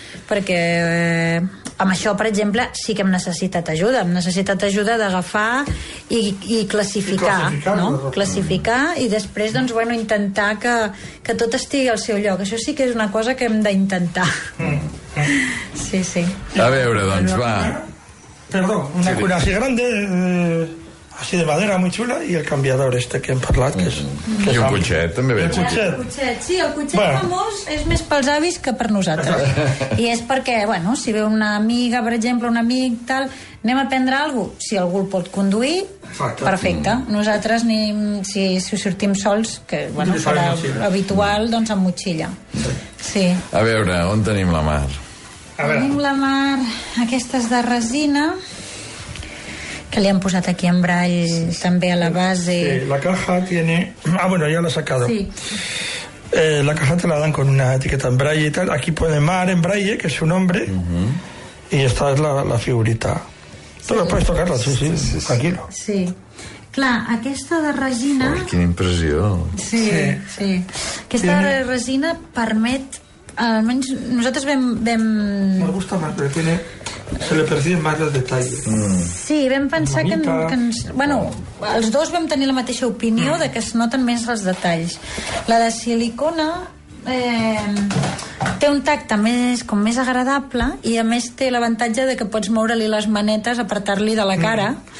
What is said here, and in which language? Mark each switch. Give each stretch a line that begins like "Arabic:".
Catalan: Perquè amb això, per exemple, sí que hem necessitat ajuda. Hem necessitat ajuda d'agafar i classificar. No? Classificar i després, doncs, bueno, intentar que tot estigui al seu lloc. Això sí que és una cosa que hem d'intentar. Sí, sí. A veure, doncs, va...
Spanish: Perdón, una cuna así grande, así de madera, muy chula, y el cambiador este
Catalan: que hem parlat, que és... Que I un cotxet, també veig. El cotxet famós és més pels avis que per nosaltres. I és perquè, bueno, si ve una amiga, per exemple, un amic, tal, anem a prendre alguna cosa. Si algú el pot conduir, exacte. Perfecte. Nosaltres, si sortim sols, que, bueno, serà habitual, doncs amb motxilla. Sí. A veure, on tenim la Mar? Tenim la Mar, aquestes de resina, que li han posat aquí en braille, sí, sí. També a la base.
Spanish: Sí, la caja tiene... Ah, bueno, ya la he sacado. Sí. La caja te la dan con una etiqueta en braille y tal. Aquí pone Mar en braille, que es su nombre, uh-huh. Y esta es la figurita. Sí. Tú la puedes tocarla, sí, tranquilo.
Catalan: Sí. Clar, aquesta de resina... Ui, quina impressió. Sí. Aquesta de resina permet... Almenys nosaltres vam...
Spanish: Me gusta más, porque tiene... Se le percibe más los detalles. Mm.
Catalan: Sí, vam pensar que ens... Bueno, els dos vam tenir la mateixa opinió de que es noten més els detalls. La de silicona té un tacte més, com més agradable i a més té l'avantatge de que pots moure-li les manetes, apartar-li de la cara.